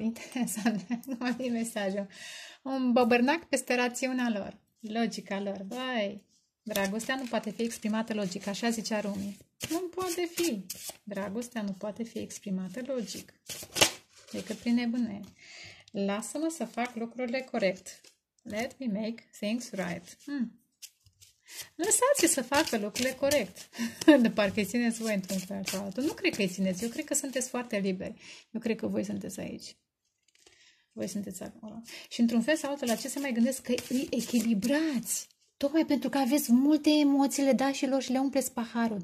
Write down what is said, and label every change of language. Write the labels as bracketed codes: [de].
[ro] Interesant, nu mai mesajul. Un bobârnac peste rațiunea lor, logica lor. Băi, dragostea nu poate fi exprimată logic, așa zicea Rumi. Nu poate fi. Dragostea nu poate fi exprimată logic. Decât prin nebune. Lasă-mă să fac lucrurile corect. [en] Let me make things right. [ro] Lăsați-i să facă lucrurile corect. De parcă îi țineți voi într-un fel sau altul. Nu cred că îi țineți. Eu cred că sunteți foarte liberi. Eu cred că voi sunteți aici. Voi sunteți acolo. Și într-un fel sau altul, la ce se mai gândesc? Că îi echilibrați. Tocmai pentru că aveți multe emoții, le dați și lor și le umpleți paharul.